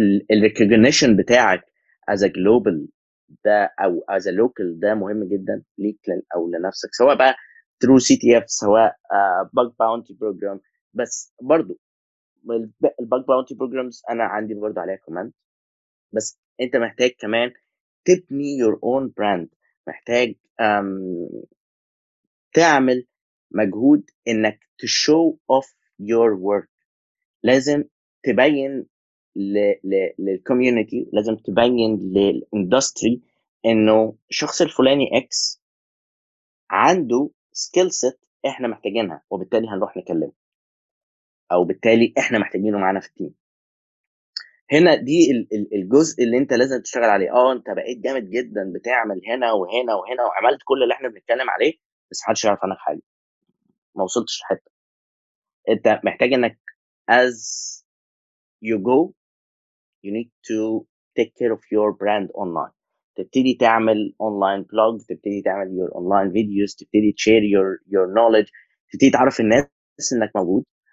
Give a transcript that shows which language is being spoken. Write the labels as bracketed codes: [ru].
[ar] الريكوجنيشن بتاعك [en] as a global [ar] ده او [en] as a local [ar] ده مهم جدا ليك او لنفسك، سواء بقى through CTF سواء bug bounty program. بس برضو bug bounty programs انا عندي برضو عليها كمان، بس انت محتاج كمان تبني [en] your own brand. [ar] محتاج تعمل مجهود انك [en] to show off your work. [ar] لازم تبين للكوميونيتي، لازم تبين للاندستري انه الشخص الفلاني اكس عنده سكيل سيت احنا محتاجينها وبالتالي هنروح نكلمه او بالتالي احنا محتاجينه معانا في التيم. هنا دي الجزء اللي انت لازم تشتغل عليه. انت بقيت جامد جدا بتعمل هنا وهنا وهنا وعملت كل اللي احنا بنتكلم عليه، بس محدش يعرف عنك حاجه، ما وصلتش لحته. انت محتاج انك [en] as you go you need to take care of your brand online. [ar] تبتدي تعمل اونلاين بلوج، تبتدي تعمل [en] your online videos, [ar] تبتدي تشير [en] your knowledge, [ar] تبتدي تعرف الناس انك موجود.